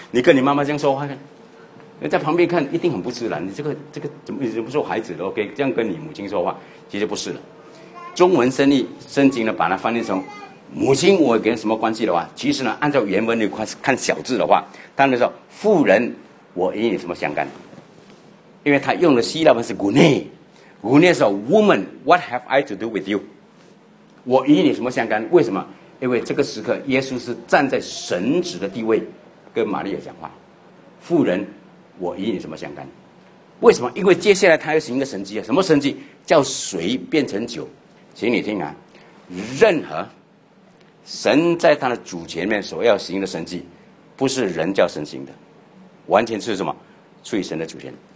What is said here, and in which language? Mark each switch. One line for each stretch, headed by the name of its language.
Chinese: 你跟你妈妈这样说话，在旁边看一定很不自然。你这个怎么做孩子的 ？OK， 这样跟你母亲说话，其实不是的。中文生意圣经呢，把它翻译成母亲，我跟什么关系的话，其实呢，按照原文的话看小字的话，当然说妇人，我与你什么相干？因为他用的希腊文是 gune 说
English: woman， what have I to do with you？
Chinese: 我与你什么相干？为什么？因为这个时刻，耶稣是站在神子的地位跟玛利亚讲话。妇人，我与你什么相干？为什么？因为接下来他要行一个神迹啊！什么神迹？叫水变成酒。请你听啊，任何神在他的主前面所要行的神迹，不是人叫神行的，完全是什么？出于神的主权。